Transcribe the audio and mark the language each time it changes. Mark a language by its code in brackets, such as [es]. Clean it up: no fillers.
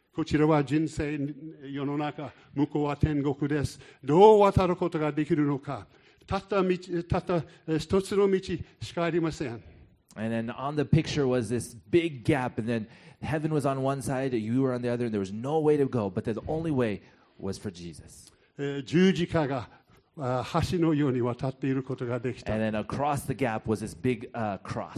[ja] こちらは人生、世の中、向こうは天国です。どう渡ることができるのか。たった一つの道しかありません。 [en] And then on the picture was this big gap, and then heaven was on one side, you were on the other, and there was no way to go, but the only way was for Jesus. [ja] 十字架が橋のように渡っていることができた。 [en] And then across the gap was this big cross.